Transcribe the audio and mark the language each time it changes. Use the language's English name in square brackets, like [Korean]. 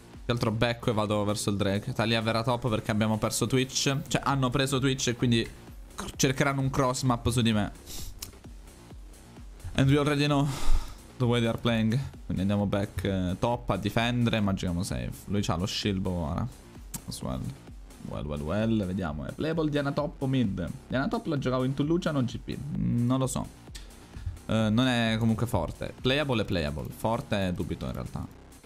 [Italian] altro becco e vado verso il Drake. Talia verrà top perché abbiamo perso Twitch. Cioè, hanno preso Twitch e quindi cercheranno un cross map su di me. [English] And we already know the way they are playing. [Italian] Quindi andiamo back top a difendere. Immaginiamo safe. Lui c'ha lo shield ora. [English] As well. Well, well, well. [Italian] Vediamo. Playable Diana top o mid? Diana top la giocavo in Tullucia, non GP. Non lo so. Non è comunque forte. Playable è playable. Forte è dubito in realtà.